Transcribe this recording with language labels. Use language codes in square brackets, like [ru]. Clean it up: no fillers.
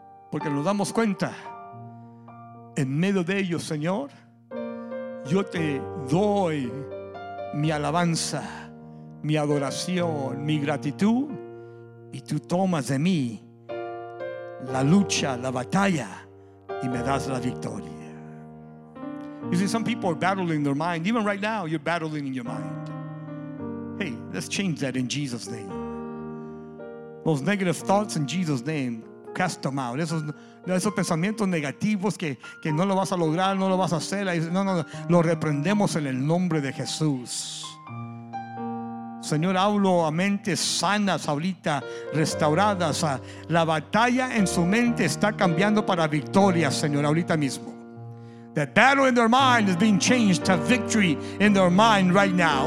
[es] Porque nos damos cuenta, en medio de ello, Señor, yo te doy mi alabanza, mi adoración, mi gratitud, y tú tomas de mí la lucha, la batalla, y me das la victoria. [en] You see, some people are battling their mind. Even right now, you're battling in your mind. Hey, let's change that in Jesus' name. Those negative thoughts in Jesus' name, cast them out. [es] Esos pensamientos negativos que no lo vas a lograr, no lo vas a hacer. No, lo reprendemos en el nombre de Jesús. Señor, hablo a mentes sanas ahorita, restauradas. La batalla en su mente está cambiando para victoria, Señor, ahorita mismo. [en] The battle in their mind is being changed to victory in their mind right now.